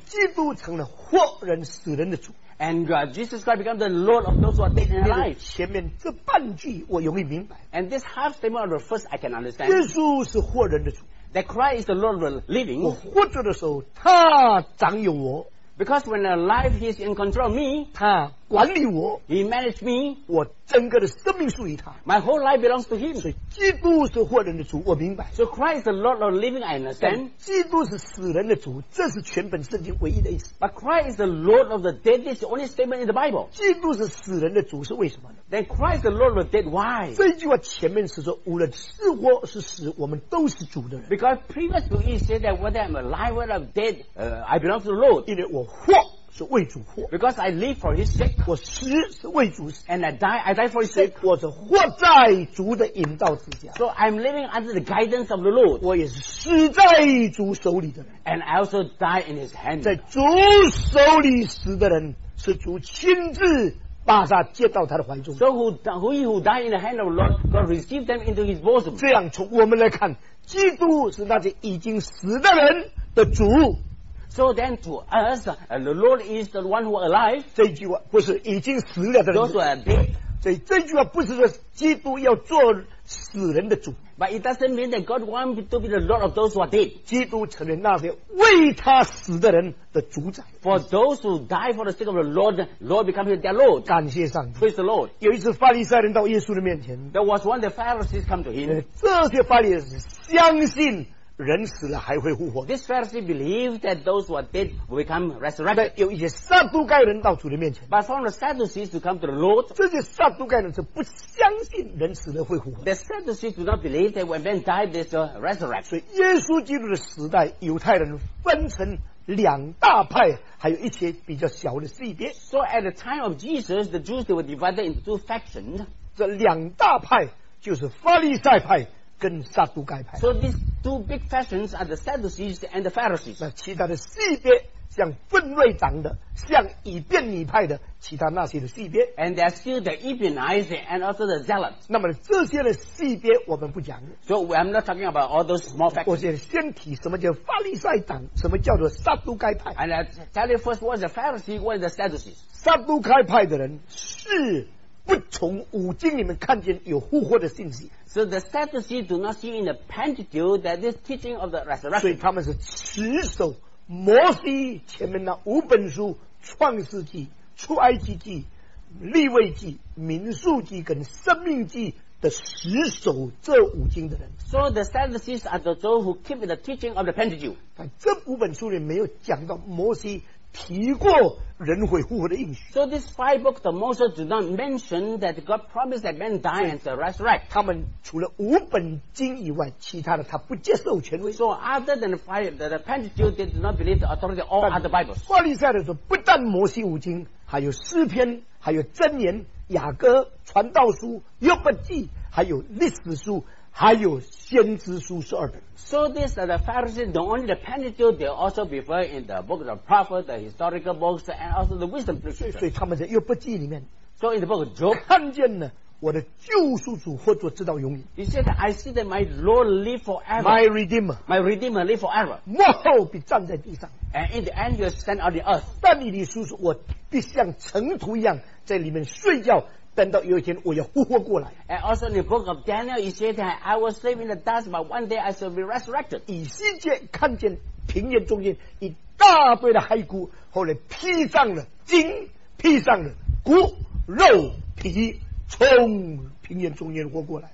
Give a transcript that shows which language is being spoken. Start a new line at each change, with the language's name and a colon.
Chinese: 基督成了活人死人的主。
English: And Jesus Christ becomes the Lord of those who are dead and alive.
Chinese: 前面这半句我容易明白。
English: And this half statement of the first I can understand.
Chinese: 耶稣是活人的主。
English: That Christ is the Lord of the living.
Chinese: 我活着的时候，他掌有我。
English: Because when alive, He is in control of me.
Chinese: 他管理我。
English: He managed me.
Chinese: 我整个的生命属于他。
English: My whole life belongs to Him.
Chinese: 所以基督是活人的主，我明白。
English: So Christ is the Lord of the living, I understand.
Chinese: 基督是死人的主，这是全本圣经唯一的意思。
English: But Christ is the Lord of the dead, this is the only statement in the Bible.
Chinese: 基督是死人的主是为什么呢
English: Then Christ is the Lord of the dead, why?
Chinese: 这句话前面是说，无论是活是死，我们都是主的人。
English: Because previous to it said that whether I'm alive or I'm dead, I belong to the Lord.
Chinese: 因为我活。是为主活
English: Because I live for his sake
Chinese: 我死是为主死
English: And I die for his sake
Chinese: 我是活在主的引导之下
English: So I'm living under the guidance of the Lord
Chinese: 我也是死在主手里的人
English: And I also die in his hand
Chinese: 在主手里死的人是主亲自把他接到他的怀中
English: So who die in the hand of the Lord God receive them into his bosom
Chinese: 这样从我们来看基督是那些已经死的人的主
English: So then to us, the Lord is the one who is alive.
Chinese: 这句话不是已经死了的人。
English: Those who are dead.
Chinese: 所以这句话不是说基督要做死人的主。
English: But it doesn't mean that God wants to be the Lord of those who are dead.
Chinese: 基督成为那些为他死的人的主宰。
English: For those who die for the sake of the Lord, Lord becomes their Lord.
Chinese: 感谢上帝。
English: Praise the Lord.
Chinese: 有一次法利赛人到耶稣的面前。
English: There was one of the Pharisees come to him.
Chinese: 这些法利赛人相信人死了还会复活。
English: This Pharisee believed that those who are dead will become resurrected.
Chinese: 有一些撒都盖人到主的面前。
English: But some of the Sadducees to come to the Lord.
Chinese: 这些撒都盖人是不相信人死了会复活。
English: The Sadducees do not believe that when men die, they are resurrected.
Chinese: 所以耶稣基督的时代，犹太人分成两大派，还有一些比较小的细别。
English: So at the time of Jesus, the Jews they were divided into two factions.
Chinese: 这两大派就是法利赛派。跟撒都盖派
English: So these two big factions are the Sadducees and the Pharisees
Chinese: 那其他的细别像分锐长的像以便尼派的其他那些的细别
English: And there are still the Ebionites and also the Zealots
Chinese: 那么这些的细别我们不讲
English: So I'm not talking about all those small factions
Chinese: 我先提什么叫法利赛党什么叫做撒都盖派
English: And I tell you first what is the Pharisees what is the Sadducees
Chinese: 撒都盖派的人是不从五经里面看见有复活的信息
English: So the Sadducees do not see in the Pentateuch that this teaching of the resurrection
Chinese: 所以他们是持守摩西前面那五本书，创世纪、出埃及记、利未记、民数记跟生命记的十首这五经的人。
English: So the Sadducees are the those who keep the teaching of the Pentateuch。
Chinese: 但这五本书里没有讲到摩西提过人会复活的应许。
English: So this five books the Moses do not mention that God promised that man die and resurrect。
Chinese: 他们除了五本经以外其他的他不接受权威。
English: So other than the Pentateuch did not believe the authority of all other Bibles。
Chinese: 法利赛人说不但摩西五经还有诗篇还有箴言雅歌传道书约伯记还有历史书还有先知书十二本。
English: So this that the Pharisees don't only the Pentateuch they also prefer in the book of the prophet the historical books and also the wisdom literature。
Chinese: 所以他们在约伯记里面
English: So in the book of Job
Chinese: 看见了我的救赎主活着直到永远。
English: He said I see that my Lord live forever My Redeemer live forever
Chinese: 幕后必站在地上
English: And in the end you stand on the earth
Chinese: 但以理书说我必像尘土一样在里面睡觉等到有一天我要复活过来。
English: And also in the book of Daniel he said that I will sleep in the dust but one day I shall be resurrected。
Chinese: 以西结看见平原中间一大堆的骸骨后来披上了筋披上了骨肉皮从平原中间活过来。